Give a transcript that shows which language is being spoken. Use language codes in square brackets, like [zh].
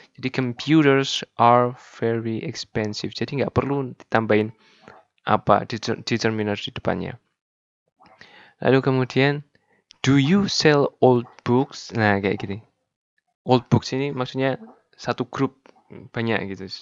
[en] Jadi computers are very expensive. [id] Jadi nggak perlu ditambahin apa determiner di depannya. Lalu kemudian, [en] do you sell old books? [id] Nah, kayak gini. Old books ini maksudnya satu grup banyak gitu.